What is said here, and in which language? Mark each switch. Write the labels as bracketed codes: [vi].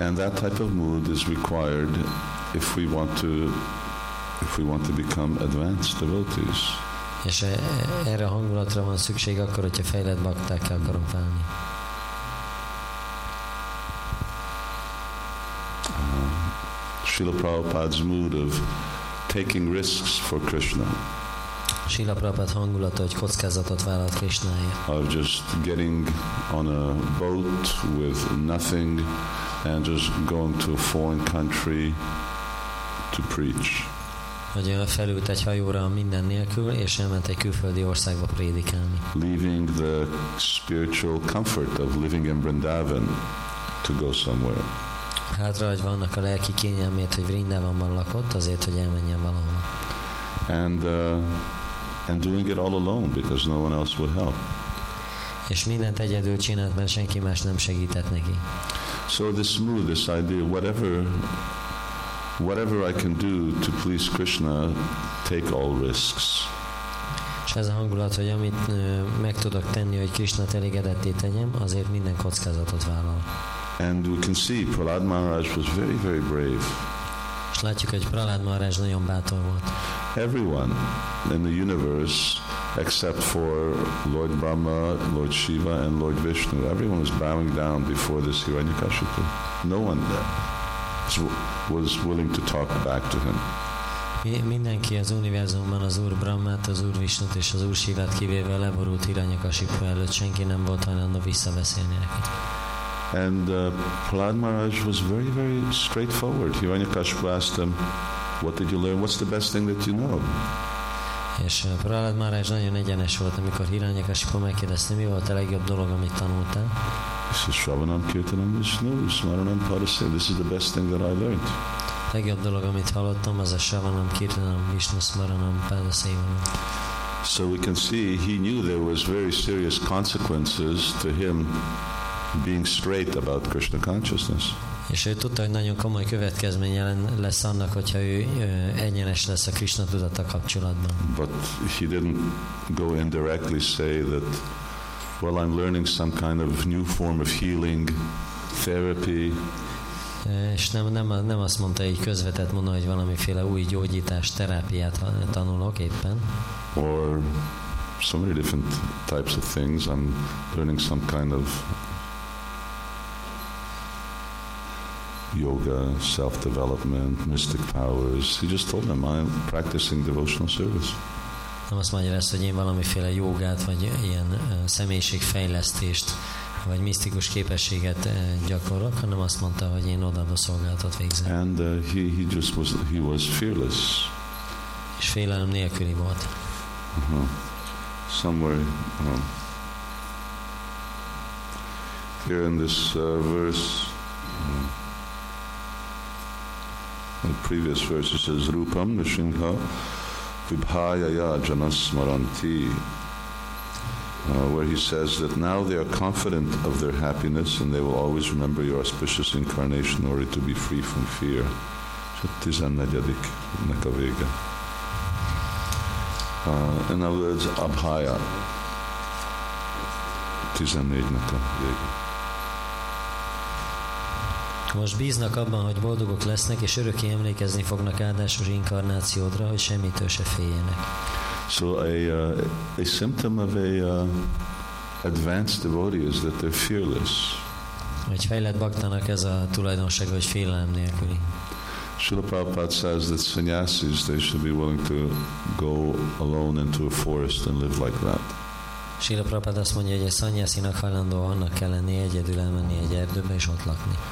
[en] And that type of mood is required if we want to become advanced devotees. [hu] És erre a hangulatra van szükség akkor, hogyha fejlett baktákká akarunk válni. [en] Srila Prabhupada's mood of taking risks for Krishna. [hu] Srila Prabhupada hangulata, hogy kockázatot vállalt Krishnáért. [en] Or just getting on a boat with nothing and just going to a foreign country to preach. [hu] Hogy felült egy hajóra minden nélkül, és elment egy külföldi országba prédikálni. [en] Leaving the spiritual comfort of living in Vrindavan to go somewhere. [hu] Hátra hagyva annak a lelki kényelmét, hogy Vrindavanban lakott, azért, hogy elmenjen valahova. [en] And doing it all alone, because no one else would help. [hu] És mindent egyedül csinált, mert senki más nem segített neki. [en] So this mood, this idea, whatever I can do to please Krishna, take all risks. [hu] És ez a hangulat, hogy amit meg tudok tenni, hogy Krishna elégedetté tegyem, azért minden kockázatot vállal. [en] And we can see Prahlad Maharaj was very, very brave. [hu] És látjuk, hogy Prahlad Maharaj nagyon bátor volt. [en] Everyone in the universe, except for Lord Brahma, Lord Shiva, and Lord Vishnu, everyone was bowing down before this Hiranyakashipu. No one there was willing to talk back to him. [hu] Mindenki az univerzumban az Úr Brahmát, az Úr Vishnut és az Úr Shivát kivéve leborult Hiranyakashipu előtt, senki nem volt hajlandó visszabeszélni neki. [en] And Prahlad Maharaj was very, very straightforward. Hiranyakashipu asked him, "What did you learn? What's the best thing that you know?" [hu] És Prahlad Maharaj nagyon egyenes volt, amikor Hiranyakashipu megkérdezte, mi volt a legjobb dolog, amit tanultál. [en] This is Shravanam Kirtanam Vishnu, Smaranam Parasev. This is the best thing that I learned. [hu] A legjobb dolog, amit hallottam, az a Shravanam Kirtanam Vishnu, Smaranam Parasev. [en] So we can see he knew there was very serious consequences to him being straight about Krishna consciousness. [hu] És ő tudta, hogy nagyon komoly következménye lesz annak, hogyha ő egyenes lesz a Krishna tudata kapcsolatban. [en] But he didn't go indirectly say that, well, I'm learning some kind of new form of healing therapy. [hu] És nem azt mondta így közvetett mondani, hogy valamiféle új gyógyítás terápiát tanulok éppen. [en] Or so many different types of things. I'm learning some kind of yoga, self-development, mystic powers. He just told them, I'm practicing devotional service. [hu] Nem azt magyarázta, hogy én valamiféle jogát, vagy ilyen személyiségfejlesztést, vagy misztikus képességet gyakorlok, hanem azt mondta, hogy én odaadó szolgálatot végzem. [en] And he was fearless. [hu] És félelem nélküli volt. [en] Somewhere here in this verse, the previous verse, it says Rupam Nishinha Vibhayaya Janasmaranti, where he says that now they are confident of their happiness and they will always remember your auspicious incarnation in order to be free from fear. [hu] So 14-nek a vége. [en] In other words, Abhaya. [hu] 14-nek a vége. Most bíznak abban, hogy boldogok lesznek, és örökké emlékezni fognak áldásos inkarnációdra, hogy semmitől se féljenek. [en] So a symptom of a advanced devotee is that they're fearless. [hu] Egy fejlett baktának ez a tulajdonsága, hogy félelem nélküli. [en] Srila Prabhupada says that sannyasis, they should be willing to go alone into a forest and live like that. [hu] Srila Prabhupada azt mondja, hogy egy szanyászinak hajlandó annak kell lenni, egyedül elmenni egy erdőbe és ott lakni.